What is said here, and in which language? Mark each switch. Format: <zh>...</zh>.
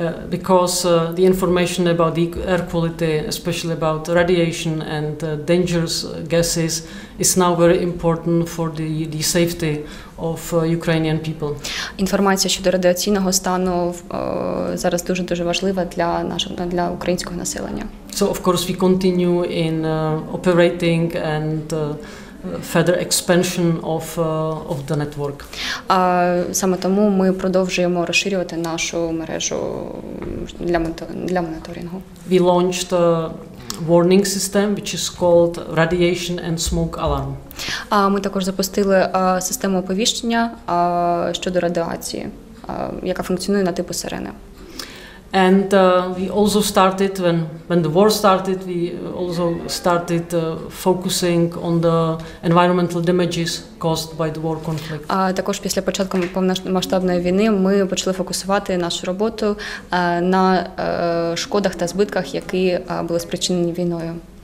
<en>Because the information about the air quality, especially about radiation and dangerous gases, is now very important for the safety of Ukrainian people.</en> <uk>Інформація щодо радіаційного стану зараз дуже-дуже важлива для українського населення.</uk> <en>So, of course, we continue in operating and further expansion of the network.</en> <uk>Саме тому ми продовжуємо розширювати нашу мережу для моніторингу.</uk> <en>We launched a warning system which is called radiation and smoke alarm.</en> <uk>Ми також запустили систему оповіщення щодо радіації, яка функціонує на типу сирени.</uk> <en>And we also started when the war started, we also started focusing on the environmental damages caused by the war conflict.</en> <uk>Також після початку повномасштабної війни ми почали фокусувати нашу роботу на шкодах та збитках, які були спричинені війною.</uk>